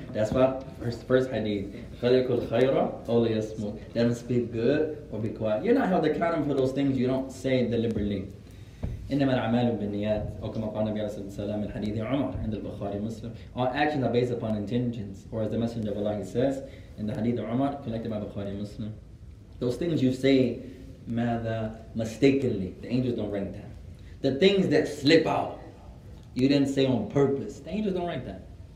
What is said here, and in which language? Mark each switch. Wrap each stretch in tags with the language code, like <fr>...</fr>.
<en>That's why first hadith, let him speak good or be quiet. You're not held accountable for those things you don't say deliberately.</en> <ar>إنما الأعمال بالنيات أو كما قال النبي عليه الصلاة والسلام من حديث عمر عند البخاري مسلم.</ar> <en>All actions are based upon intentions, or as the Messenger of Allah says in the hadith of Umar collected by Bukhari Muslim. Those things you say, ماذا, mistakenly, the angels don't write that. The things that slip out, you didn't say on purpose, the angels don't write that.</en>